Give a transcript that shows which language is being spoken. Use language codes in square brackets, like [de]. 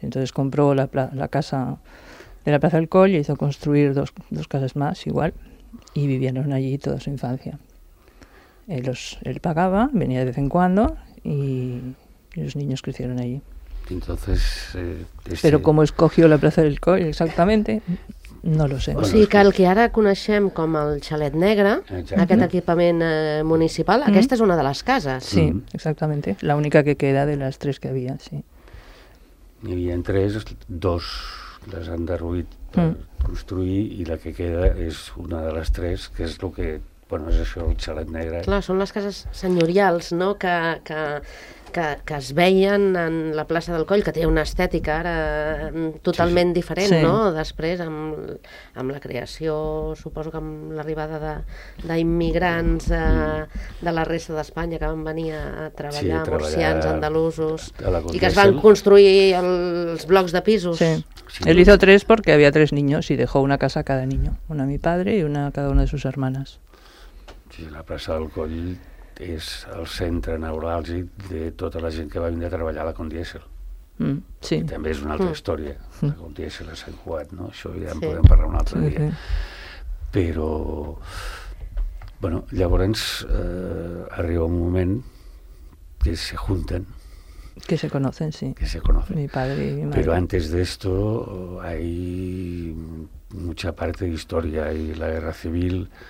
[es] Entonces compró la casa de la Plaza del Coll, hizo construir 2 casas más, igual, y vivieron allí toda su infancia. Él pagaba, venía de vez en cuando, y los niños crecieron allí. Entonces... Pero cómo escogió la Plaza del Coll exactamente, no lo sé. [ca] O sigui que el que ara coneixem com el Xalet Negre, exacte, aquest equipament municipal, mm-hmm, aquesta és una de les cases. [es] Sí, exactamente, la única que queda [ca] de les 3 que havia, [es] sí. [ca] Hi havia 3, 2... les han derruït per construir i la que queda és una de les 3, que és el que, bueno, és això, el Xalet Negre. Clar, són les cases senyorials, no?, que es veien en la Plaça del Coll, que té una estètica ara totalment diferent, sí, no?, després amb la creació, suposo que amb l'arribada d'immigrants de la resta d'Espanya que van venir a treballar, murcians, andalusos, i que es van construir els blocs de pisos. Sí. [es] Él hizo 3 porque había 3 niños y dejó una casa a cada niño, una a mi padre y una a cada una de sus hermanas. [ca] Sí, la Plaça del Coll és el centre neuràlgic de tota la gent que va venir a treballar a la Condièsel. Sí. I també és una altra història, la Condièsel a Sant Cugat, no? Això ja en podem parlar un altre dia. Sí. Però, bueno, llavors arriba un moment que se junten. [es] Que se conocen, sí. Que se conocen. Mi padre y mi madre. Pero antes de esto hay mucha parte de historia y la guerra civil.